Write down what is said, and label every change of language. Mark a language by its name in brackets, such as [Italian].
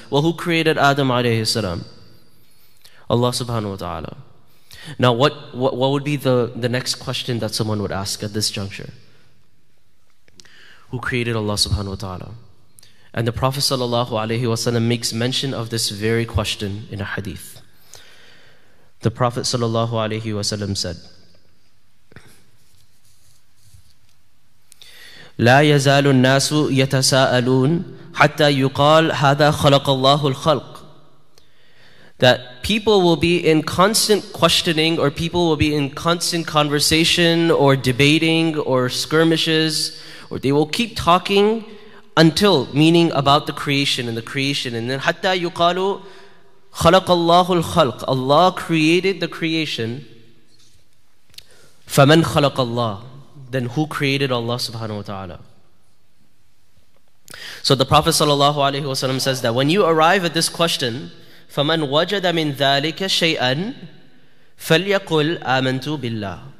[English] Well, who created Adam alayhi salam? Allah subhanahu wa ta'ala. Now, what would be the next question that someone would ask at this juncture? Who created Allah subhanahu wa ta'ala? And the Prophet sallallahu alayhi wa sallam makes mention of this very question in a hadith. [Arabic] The Prophet sallallahu alayhi wa sallam said, لَا يَزَالُ النَّاسُ يَتَسَاءَلُونَ حَتَّى يُقَالْ هَذَا خَلَقَ اللَّهُ الْخَلْقِ. [English] That people will be in constant questioning, or people will be in constant conversation or debating or skirmishes, or they will keep talking until, meaning about the creation and the creation. [Arabic] And then, حَتَّى يُقَالُوا خَلَقَ اللَّهُ الْخَلْقِ. [English] Allah created the creation. [Arabic] فَمَنْ خَلَقَ اللَّهُ. [English] Then who created Allah subhanahu wa ta'ala? So the Prophet sallallahu alayhi wa sallam says that when you arrive at this question, [Arabic] فَمَنْ وَجَدَ مِنْ ذَلِكَ شَيْئًا فَلْيَقُلْ آمَنْتُ بِاللَّهِ.